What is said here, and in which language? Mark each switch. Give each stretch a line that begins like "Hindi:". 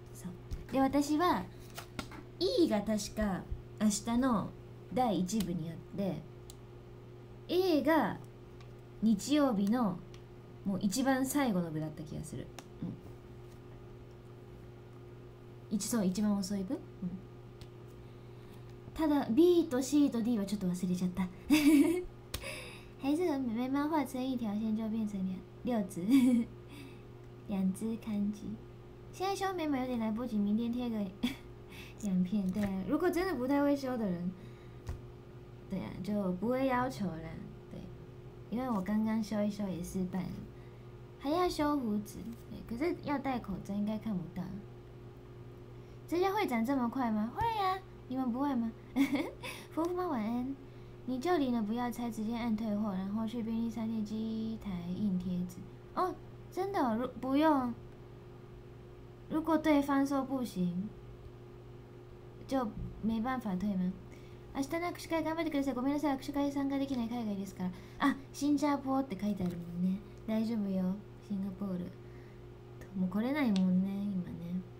Japanese: そうで、私は E が確か明日の第1部にあって、 A が日曜日のもう一番最後の部だった気がする。うん、一番遅い部。うん、ただ B と C と D はちょっと忘れちゃった。
Chinese: 还是和妹妹漫画成一条线就变成六字，两字看字。现在修眉毛有点来不及，明天贴个两片。对啊，如果真的不太会修的人，对啊，就不会要求啦。对，因为我刚刚修一修也失败了，还要修胡子，对，可是要戴口罩，应该看不到。指甲会长这么快吗？会啊，你们不会吗？福福妈晚安。你就领了不要拆，直接按退货，然后去便利商店机台印贴纸。哦，真的、哦，不用。如果对方说不行，就没办法退吗？
Japanese: 明日の握手会頑張ってください。ごめんなさい、握手会参加できない海外ですから。あ、シンガポールって書いてあるもんね。大丈夫よ、シンガポール。もう来れないもんね、今ね。